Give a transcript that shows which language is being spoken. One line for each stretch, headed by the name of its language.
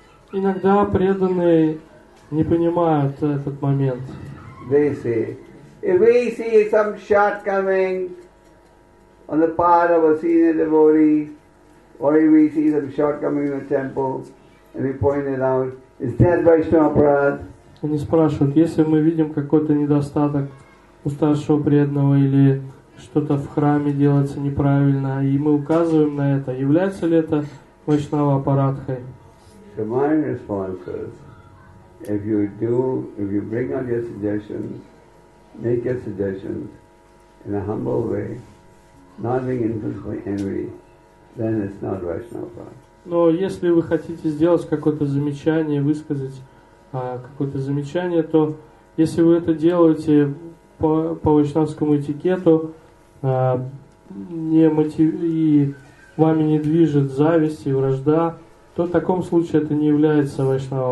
Russian: Иногда преданные не понимают этот момент.
English: They say, if we see some shortcoming on the part of a senior devotee, or if we see some shortcoming in the temple, and we point it out, is that vaishnava aparadha?
Russian: Они спрашивают, если мы видим какой-то недостаток у старшего преданного или что-то в храме делается неправильно, и мы указываем на это, является ли это вайшнава апарадхой?
English: So my response is, if you do, if you bring out your suggestions, make your suggestions in a humble way, not being intensely angry, then it's not vaishnava apparadha.
Russian: Но если вы хотите сделать какое-то замечание, высказать какое-то замечание, то если вы это делаете по вайшнавскому этикету и вами не движет зависть и вражда, то в таком случае это не является вайшнава